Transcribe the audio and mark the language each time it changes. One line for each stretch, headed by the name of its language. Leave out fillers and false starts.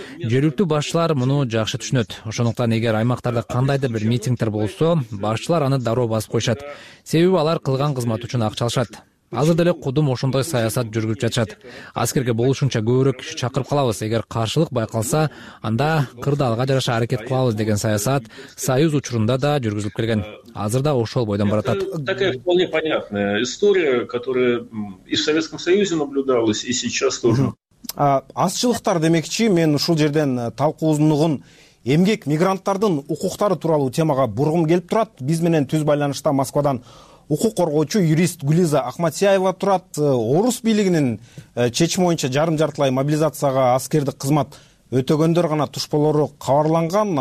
Kyrgyz: Жергиликтүү башчылар муну жакшы түшүнөт. Ошондуктан эгер аймактарда кандайдыр бир митингдер болсо, башчылар аны дароо басып коюшат. Себеби алар кылган кызмат үчүн акча алышат. Азыр деле кудум ошондой саясат жүргүзүп жатышат. Аскерге болушунча көбүрөөк киши чакырып калабыз. Эгер каршылык байкалса, анда кырдаалга жараша аракет кылабыз деген саясат союз учурунда да жүргүзүлүп келген. Азырда ошол бойдон баратат.
Russian: Такая вполне понятная история, которая и в Советском Союзе наблюдалась, и сейчас тоже.
Kyrgyz: Азчылыктар демекчи, мен ушул жерден талкуунугун эмгек мигранттардын укуктары тууралуу темага бургум келип турат. Биз менен түз байланышта Москвадан укук коргоочу юрист Гүлиза Ахматияева турат. Орус бийлигинин чечими боюнча жарым жартылай мобилизацияга аскердик кызмат өтөгөндөр гана туш болору кабарланган.